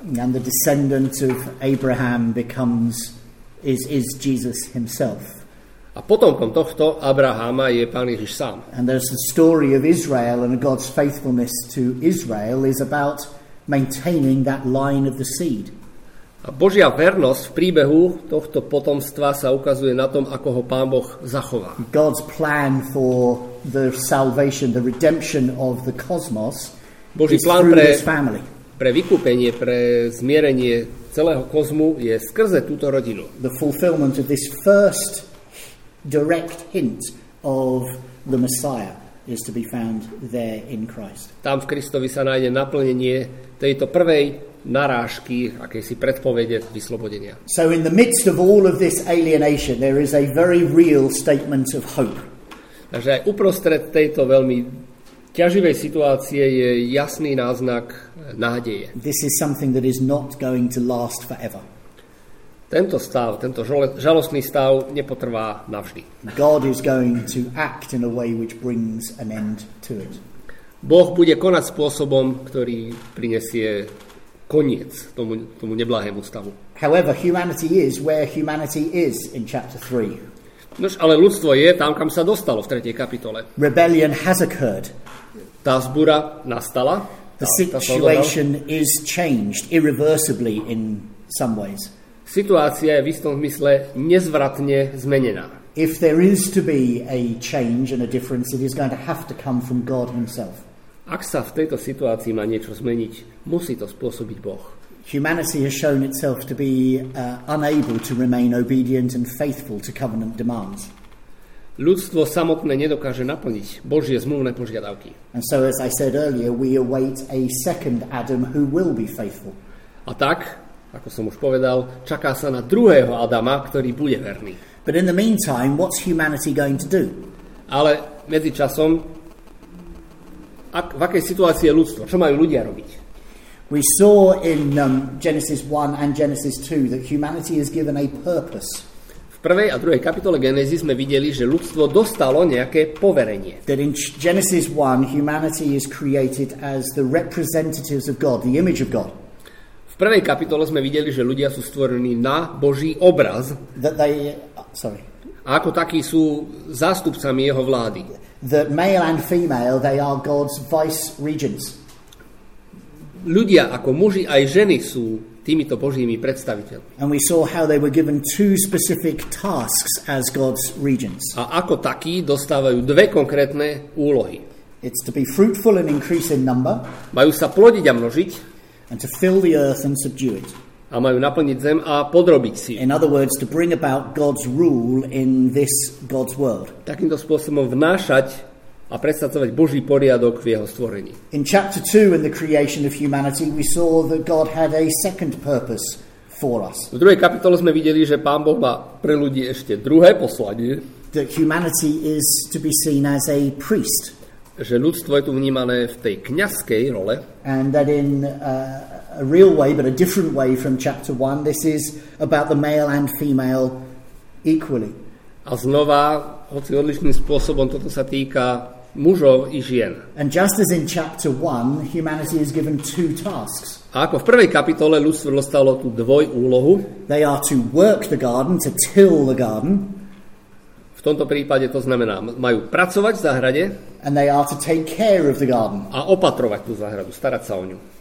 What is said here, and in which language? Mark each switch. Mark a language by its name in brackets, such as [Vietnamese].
[English] And the descendant of Abraham becomes is Jesus himself. [Slovak] A potomkom tohto Abrahama je Pán Ježiš sám. [English] And there's the story of Israel and God's faithfulness to Israel is about maintaining that line of the seed. [Slovak] A Božia vernosť v príbehu tohto potomstva sa ukazuje na tom, ako ho Pán Boh zachová. [English] God's plan for the salvation, the redemption of the cosmos [Slovak] Boží [English] is through [Slovak] pre, [English] this family. [Slovak] Pre vykúpenie, pre zmierenie celého kozmu je skrze túto rodinu. [English] The fulfillment of this first direct hint of the Messiah is to be found there in Christ. [Slovak] Tam v Kristovi sa nájde naplnenie tejto prvej narážky, akejsi predpovede vyslobodenia. [English] So in the midst of all of this alienation, there is a very real statement of hope. [Slovak] Takže aj uprostred tejto veľmi ťaživej situácie je jasný náznak nádeje. [English] This is something that is not going to last forever. [Slovak] Tento stav, tento žalostný stav nepotrvá navždy. [English] God is going to act in a way which brings an end to it. [Slovak] Boh bude konať spôsobom, ktorý prinesie koniec tomu neblahému stavu. [English] However, humanity is where humanity is in chapter 3. [Slovak] Nož, ale ľudstvo je tam, kam sa dostalo v 3. kapitole. [English] Rebellion has occurred. [Slovak] Tá vzbúra nastala. [English] The situation is changed irreversibly in some ways. [Slovak] Situácia je v istom zmysle nezvratne zmenená. [English] If there is to be a change and a difference, it is going to have to come from God himself. [Slovak] Ak sa v tejto situácii má niečo zmeniť, musí to spôsobiť Boh. [English] Humanity has shown itself to be unable to remain obedient and faithful to covenant demands. [Slovak] Ľudstvo samotné nedokáže naplniť Božie zmluvné požiadavky. [English] And so as I said earlier, we await a second Adam who will be faithful. [Slovak] A tak, ako som už povedal, čaká sa na druhého Adama, ktorý bude verný. [English] But in the meantime, what's humanity going to do? [Slovak] Ale medzičasom, v akej situácii je ľudstvo? Čo majú ľudia robiť? [English] We saw in Genesis 1 and Genesis 2 that humanity is given a purpose. [Slovak] V prvej a druhej kapitole Genesis sme videli, že ľudstvo dostalo nejaké poverenie. [English] That in Genesis 1 humanity is created as the representatives of God, the image of God. [Slovak] V prvej kapitole sme videli, že ľudia sú stvorení na Boží obraz. [English] That they, sorry. [Slovak] A ako takí sú zástupcami jeho vlády. [English] That male and female, they are God's vice regents. [Slovak] Ľudia ako muži aj ženy sú týmito božími predstaviteľmi. [English] And we saw how they were given two specific tasks as God's regents. [Slovak] A ako takí dostávajú dve konkrétne úlohy. [English] It's to be fruitful and increase in number. [Slovak] Majú sa plodiť a množiť. [English] And to fill the earth and subdue it. [Slovak] A majú naplniť zem a podrobiť si. [English] In other words, to bring about God's rule in this God's world. [Slovak] Takýmto spôsobom vnášať a predstavovať Boží poriadok v jeho stvorení. [English] In chapter 2 in the creation of humanity, we saw that God had a second purpose for us. [Slovak] V druhej kapitole sme videli, že Pán Boh má pre ľudí ešte druhé poslanie. [English] That humanity is to be seen as a priest. [Slovak] Že ľudstvo je tu vnímané v tej kňazskej role. [English] And that in a real way, but a different way from chapter 1, this is about the male and female equally. [Slovak] A znova, hoci odlišným spôsobom, toto sa týka mužov i žien. [English] And just as in chapter 1, humanity is given two tasks. [Slovak] A ako v prvej kapitole ľudstvo dostalo tú dvojúlohu. [English] They are to work the garden, to till the garden. [Slovak] V tomto prípade to znamená, majú pracovať v záhrade. [English] And they are to take care of the garden. [Slovak] A opatrovať tú záhradu, starať sa o ňu.